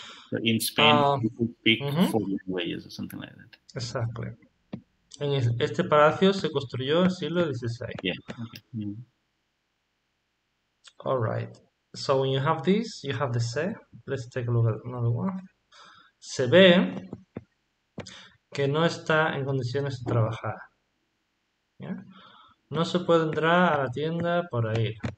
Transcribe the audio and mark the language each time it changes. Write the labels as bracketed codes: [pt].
[en] So in Spain, people speak four languages or something like that. Exactly. [es] En este palacio se construyó en el siglo XVI. [en] All right, so when you have this, you have the se. Let's take a look at another one. [es] Se ve que no está en condiciones de trabajar. Yeah? No se puede entrar a la tienda por ahí.